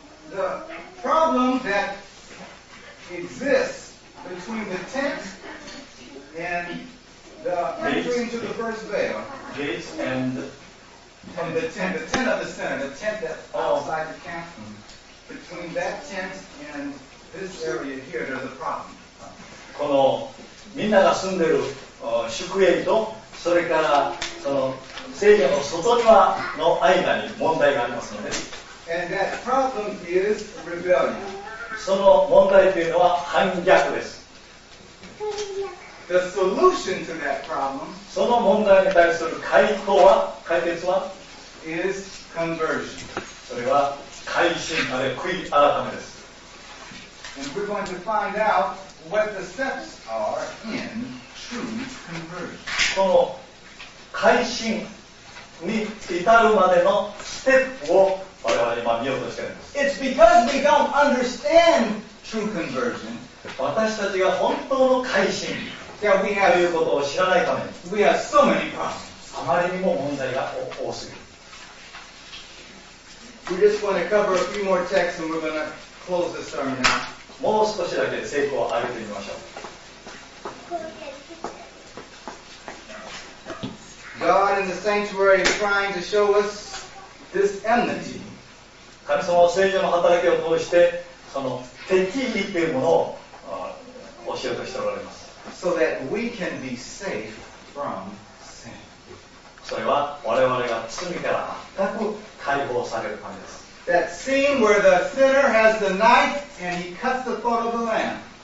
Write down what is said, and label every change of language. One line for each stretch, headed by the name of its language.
English: The problem that exists between the tent and the entering to the first veil and the tent of the center, the tent that outside the camp room, between that tent and this area here, there's a problem.
Japanese: このみんなが住んでる宿営とそれからその聖所の外庭の間に問題がありますので、
English: and that problem is rebellion.
Japanese: その問題というのは反逆です。
English: The solution to that problem,
Japanese: その問題に対する解決は
English: is conversion.
Japanese: それは改心まで悔い改めです。
English: And we're going to find out what the steps are in true conversion.
Japanese: この改心に至るまでのステップを我々は今見ようとしています。
English: It's because we don't understand true conversion.
Japanese: 私たちが本当の改心ということを知らないために、
English: we have so many problems.
Japanese: あまりにも問題が多すぎる。
English: We're just going to cover a few more texts and we're going to close this sermon out.
Japanese: もう少しだけ聖句を上げてみましょう。
English: God in the sanctuary is trying to show us this enmity.
Japanese: 神様は聖所の働きを通してその敵意というものを教えようとしておられます。
English: So that we can be safe from sin.
Japanese: それは我々が罪から全く解放されるためです。
English: That scene where the sinner has the knife and he cuts the foot of the lamb.